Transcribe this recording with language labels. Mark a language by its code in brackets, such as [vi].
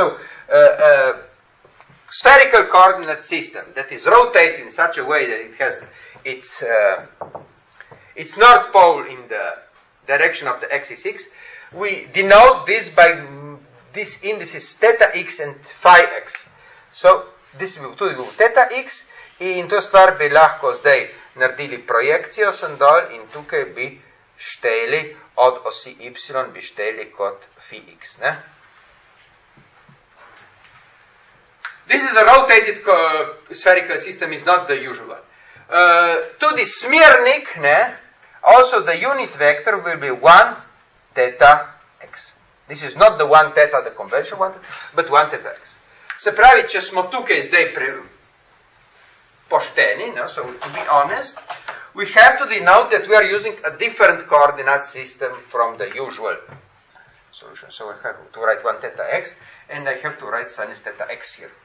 [en] So, spherical coordinate system that is rotated in such a way that it has its north pole in the direction of the axis x, we denote this by these indices theta x and phi x. So, this will [sl] tudi [en] be theta x, [sl] in to stvar bi lahko zdaj naredili projekcijo sem dol in tukaj bi šteli od osi y, bi šteli kot phi x. Ne? [en] This is a rotated spherical system, is not the usual one. [sl] Tudi smernik, ne, [en] also the unit vector will be 1 theta x. This is not the 1 theta, the conventional one, but 1 theta x. [sl] Se pravi, če smo tukaj zdaj pošteni, no? [en] So to be honest, we have to denote that we are using a different coordinate system from the usual solution. So I have to write 1 theta x, and I have to write sinus theta x here.